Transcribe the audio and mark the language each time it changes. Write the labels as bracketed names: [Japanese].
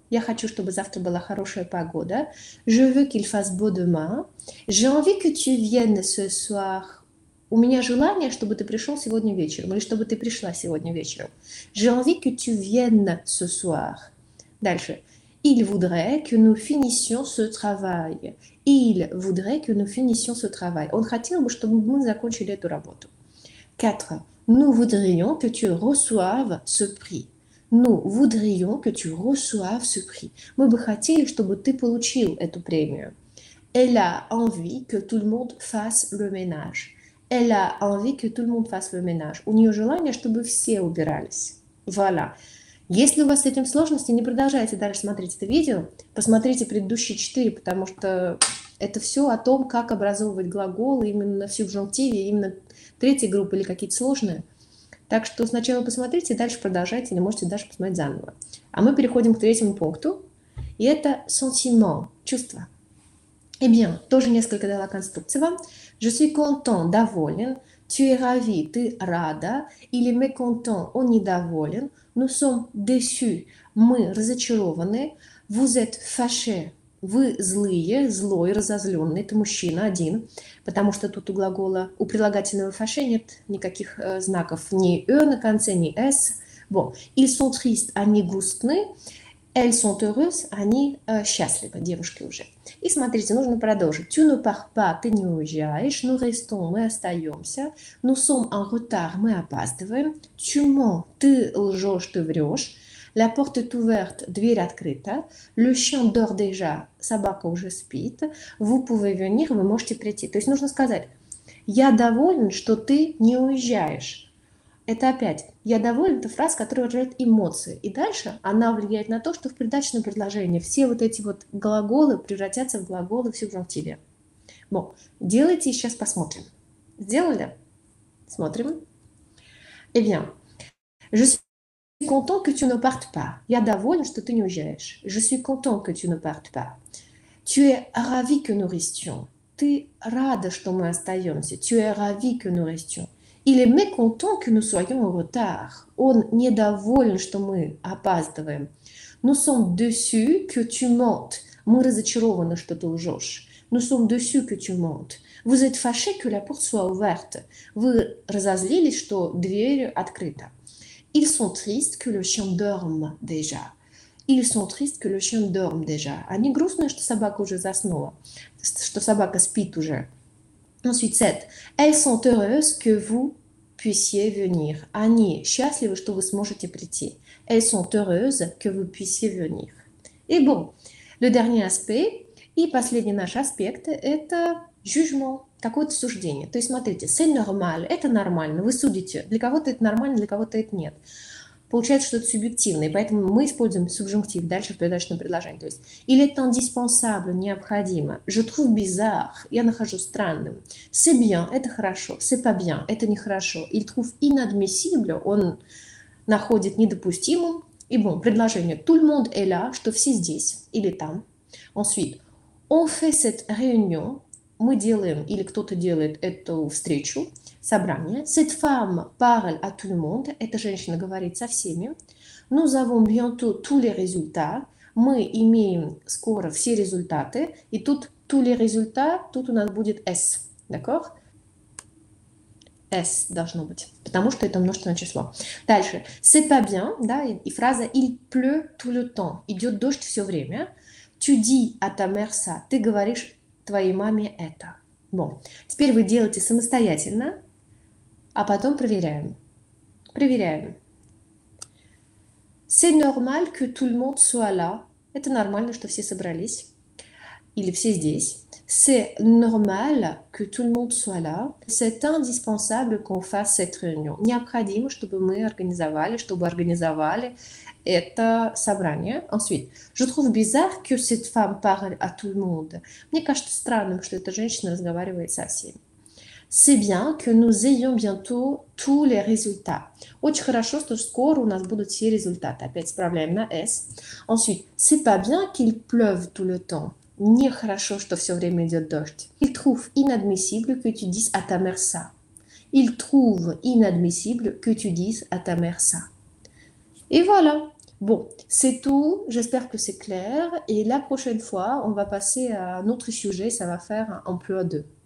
[Russian] Я хочу, чтобы завтра была хорошая погода. [French] Je veux qu'il fasse beau demain. J'ai envie que tu viennes ce soir. [Russian] У меня желание, чтобы ты пришел сегодня вечером. Или чтобы ты пришла сегодня вечером. [French] J'ai envie que tu viennes ce soir. [Russian] Дальше. [French] Il voudrait que nous finissions ce travail. Il voudrait que nous finissions ce travail. [Russian] Он хотел бы, чтобы мы закончили эту работу. 4. [French] Nous voudrions que tu reçoives ce prix. Nous voudrions que tu reçoives ce prix. [Russian] Мы бы хотели, чтобы ты получил эту премию. [French] Elle a envie que tout le monde fasse le ménage. Elle a envie que tout le monde fasse le ménage. [Russian] У нее желание, чтобы все убирались. [French] Voilà. [Russian] Если у вас с этим сложности, не продолжайте дальше смотреть это видео. Посмотрите предыдущие четыре, потому что это все о том, как образовывать глаголы именно в субжунктиве, именно третьей группы или какие-то сложные. Так что сначала посмотрите, дальше продолжайте или можете дальше посмотреть заново. А мы переходим к третьему пункту. И это sentiment, чувство. [French] Eh bien, [Russian] тоже несколько дала конструкций вам. [French] Je suis content, доволен. Tu es ravi, [Russian] ты рада. Или mécontent, он недоволен. [French] Nous sommes déçus, [Russian] мы разочарованы. [French] Vous êtes fâché, [Russian] вы злые, злой, разозленный. Это мужчина один, потому что тут у глагола, у прилагательного fâché нет никаких знаков ни «e» на конце, ни «s». [French] Bon. Ils sont tristes, [Russian] они грустны. [French] Elles sont heureuses, [Russian] они счастливы, девушки уже. И смотрите, нужно продолжить. [French] Tu ne pars pas, [Russian] ты не уезжаешь. [French] Nous restons, [Russian] мы остаемся. [French] Nous sommes en retard, [Russian] мы опаздываем. [French] Tu mens, [Russian] ты лжешь, ты врешь. [French] La porte est ouverte, [Russian] дверь открыта. [French] Le chien dort déjà, [Russian] собака уже спит. [French] Vous pouvez venir, [Russian] вы можете прийти. То есть нужно сказать, я доволен, что ты не уезжаешь. Это опять «я доволен» – это фраза, которая выражает эмоции. И дальше она влияет на то, что в придачном предложении все вот эти вот глаголы превратятся в глаголы в субжунктиве. [French] Bon. [Russian] Делайте и сейчас посмотрим. Сделали? Смотрим. [French] Eh bien, je suis content que tu ne partes pas. [Russian] Я доволен, что ты не уезжаешь. [French] Je suis content que tu ne partes pas. Tu es ravi que nous restions. [Russian] Ты рада, что мы остаемся. [French] Tu es ravi que nous restions. Il est mécontent que nous soyons en retard. [Russian] Он недоволен, что мы опаздываем. [French] Nous sommes déçus que tu mentes. [Russian] Мы разочарованы, что ты лжешь. [French] Nous sommes déçus que tu mentes. Vous êtes fâchés que la porte soit ouverte. [Russian] Вы разозлились, что дверь открыта. [French] Ils sont tristes que le chien dorme déjà. Ils sont tristes que le chien dorme déjà. [Russian] Они грустны, что собака уже заснула, что собака спит уже. [French] Ensuite, 7. Elles sont heureuses que vous puissiez venir. [Russian] Они счастливы, что вы сможете прийти. [French] Elles sont heureuses que vous puissiez venir. Et bon, le dernier aspect, [Russian] и последний наш аспект, это jugement, какое-то суждение. То есть, смотрите, [French] c'est normal, [Russian] это нормально, вы судите. Для кого-то это нормально, для кого-то это нет. Получается, что это субъективно, и поэтому мы используем субжунктив дальше в придачном предложении. То есть, [French] il est indispensable, [Russian] необходимо. [French] Je trouve bizarre, [Russian] я нахожу странным. [French] C'est bien, [Russian] это хорошо. [French] C'est pas bien, [Russian] это нехорошо. [French] Il trouve inadmissible, [Russian] он находит недопустимым. И bon, предложение. [French] Tout le monde est là, [Russian] что все здесь или там. [French] Ensuite, on fait cette réunion, [Russian] мы делаем или кто-то делает эту встречу. Собрание. [French] Cette femme parle à tout le monde. [Russian] Эта женщина говорит со всеми. [French] Nous avons bientôt tous les résultats. [Russian] Мы имеем скоро все результаты. И тут [French] tous les résultats, [Russian] тут у нас будет S. [French] D'accord? [Russian] S должно быть, потому что это множественное число. Дальше. [French] C'est pas bien, [Russian] да, и фраза [French] il pleut tout le temps. [Russian] Идет дождь все время. [French] Tu dis à ta mère ça. [Russian] Ты говоришь твоей маме это. [French] Bon. [Russian] Теперь вы делаете самостоятельно, а потом проверяем. Проверяем. [French] C'est normal que tout le monde soit là. [Russian] Это нормально, что все собрались. Или все здесь. [French] C'est normal que tout le monde soit là. C'est indispensable qu'on fasse cette réunion. [Russian] Необходимо, чтобы мы организовали, чтобы организовали это собрание. [French] Ensuite, je trouve bizarre que cette femme parle à tout le monde. [Russian] Мне кажется странным, что эта женщина разговаривает со всеми. [French] C'est bien que nous ayons bientôt tous les résultats. [Russian] Очень хорошо, что скоро у нас будут все результаты. Опять справляем на S. [French] Ensuite, c'est pas bien qu'il pleuve tout le temps. [Russian] Нехорошо, что все время идет дождь. [French] Il trouve inadmissible que tu dises à ta mère ça. Il trouve inadmissible que tu dises à ta mère ça. Et voilà. Bon, c'est tout. J'espère que c'est clair. Et la prochaine fois, on va passer à un autre sujet. Ça va faire un peu à deux.